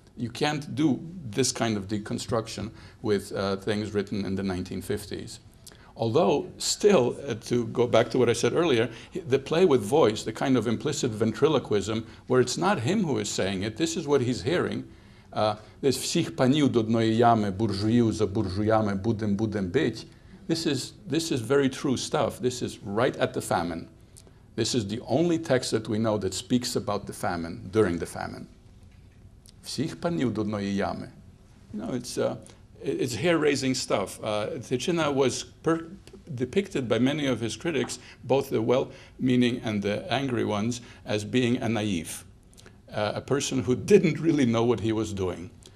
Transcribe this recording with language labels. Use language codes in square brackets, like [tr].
[en] You can't do this kind of deconstruction with things written in the 1950s. Although, still, to go back to what I said earlier, the play with voice, the kind of implicit ventriloquism, where it's not him who is saying it, this is what he's hearing. This [uk] "всіх панів до одної ями буржую за буржуями будем бить." [en] This is very true stuff. This is right at the famine. This is the only text that we know that speaks about the famine, during the famine. [uk] "Всіх панів до одної ями." [en] You know, it's hair-raising stuff. Tychyna was depicted by many of his critics, both the well-meaning and the angry ones, as being a naïf, a person who didn't really know what he was doing.